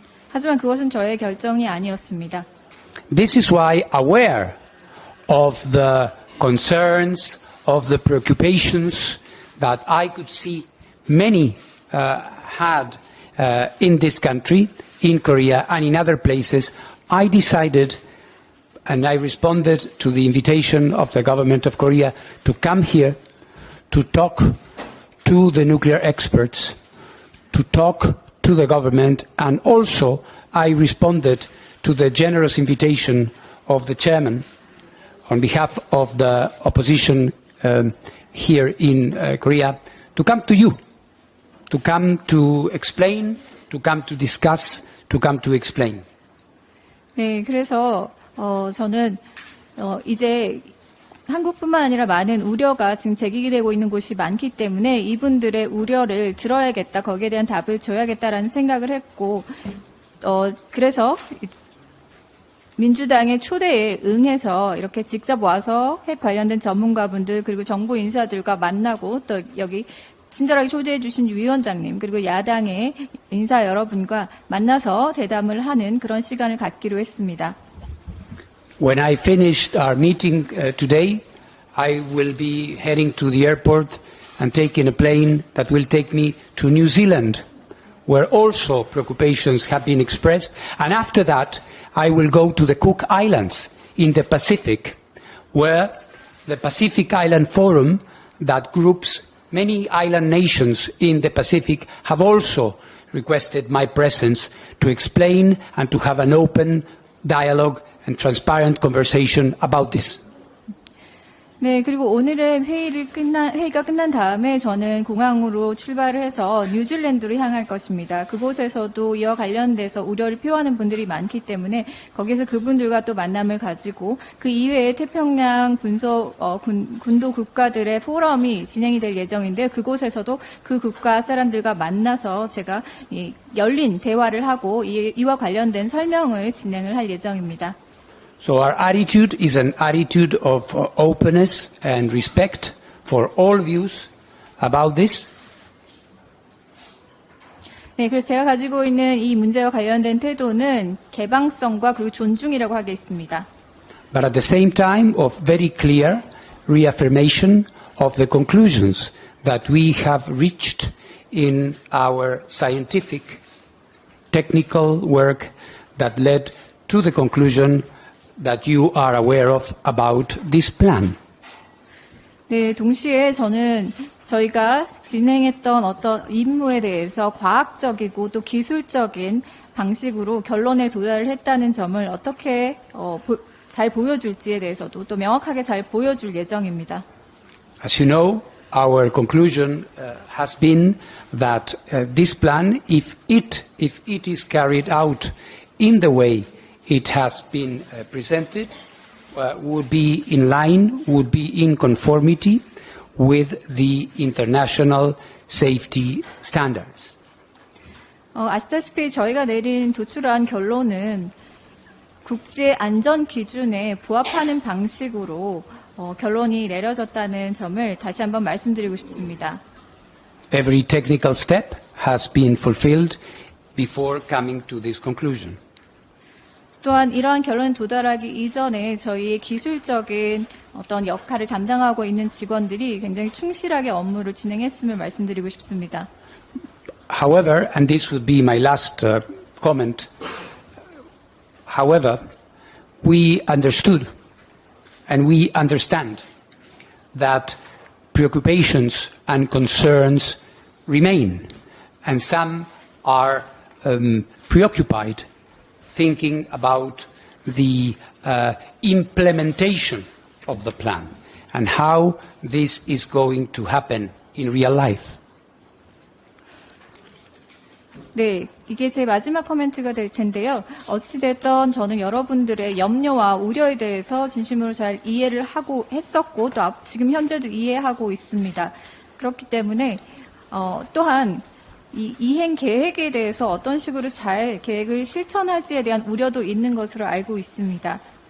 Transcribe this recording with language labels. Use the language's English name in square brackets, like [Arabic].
[Korean] 하지만 그것은 저의 결정이 아니었습니다. [English] This is why aware of the concerns, of the preoccupations that I could see many had in this country, in Korea and in other places, I decided and I responded to the invitation of the government of Korea to come here to talk to the nuclear experts, to talk to the government, and also I responded to the generous invitation of the chairman on behalf of the opposition here in Korea to come to you, to come to explain, to come to discuss, to come to explain. [Korean] 네, 그래서 저는 이제 한국뿐만 아니라 많은 우려가 지금 제기되고 있는 곳이 많기 때문에 이분들의 우려를 들어야겠다, 거기에 대한 답을 줘야겠다라는 생각을 했고 그래서 민주당의 초대에 응해서 이렇게 직접 와서 핵 관련된 전문가분들 그리고 정부 인사들과 만나고 또 여기 친절하게 초대해 주신 위원장님 그리고 야당의 인사 여러분과 만나서 대담을 하는 그런 시간을 갖기로 했습니다. [English] When I finished our meeting today, I will be heading to the airport and taking a plane that will take me to New Zealand, where also preoccupations have been expressed. And after that, I will go to the Cook Islands in the Pacific, where the Pacific Island Forum that groups many island nations in the Pacific have also requested my presence to explain and to have an open dialogue and transparent conversation about this. [Korean] 네, 그리고 오늘의 회의가 끝난 다음에 저는 공항으로 출발을 해서 뉴질랜드로 향할 것입니다. 그곳에서도 이와 관련돼서 우려를 표하는 분들이 많기 때문에 거기에서 그분들과 또 만남을 가지고 그 이외에 태평양 군도 국가들의 포럼이 진행이 될 예정인데 그곳에서도 그 국가 사람들과 만나서 제가 이 열린 대화를 하고 이와 관련된 설명을 진행을 할 예정입니다. [English] So our attitude is an attitude of openness and respect for all views about this. [Korean] 네, 그래서 제가 가지고 있는 이 문제와 관련된 태도는 개방성과 그리고 존중이라고 하겠습니다. [English] But at the same time of very clear reaffirmation of the conclusions that we have reached in our scientific technical work that led to the conclusion that you are aware of about this plan. [Korean] 네, 동시에 저는 저희가 진행했던 어떤 임무에 대해서 과학적이고 또 기술적인 방식으로 결론에 도달을 했다는 점을 어떻게 잘 보여줄지에 대해서도 또 명확하게 잘 보여줄 예정입니다. [English] As you know, our conclusion has been that this plan, if it is carried out in the way it has been presented, would be in conformity with the international safety standards. [Korean] 아시다시피 저희가 내린 도출한 결론은 국제 안전 기준에 부합하는 방식으로 결론이 내려졌다는 점을 다시 한번 말씀드리고 싶습니다. [English] Every technical step has been fulfilled before coming to this conclusion. [Korean] 또한 이러한 결론에 도달하기 이전에 저희의 기술적인 어떤 역할을 담당하고 있는 직원들이 굉장히 충실하게 업무를 진행했음을 말씀드리고 싶습니다. [English] However, and this would be my last comment. However, we understood and we understand that preoccupations and concerns remain, and some are preoccupied thinking about the implementation of the plan and how this is going to happen in real life. [Korean] 네, 이게 제 마지막 코멘트가 될 텐데요. 어찌됐든 저는 여러분들의 염려와 우려에 대해서 진심으로 잘 이해를 하고 했었고 또 지금 현재도 이해하고 있습니다. 그렇기 때문에 또한 이 이행 계획에 대해서 어떤 식으로 잘 계획을 실천할지에 대한 우려도 있는 것으로 알고 있습니다.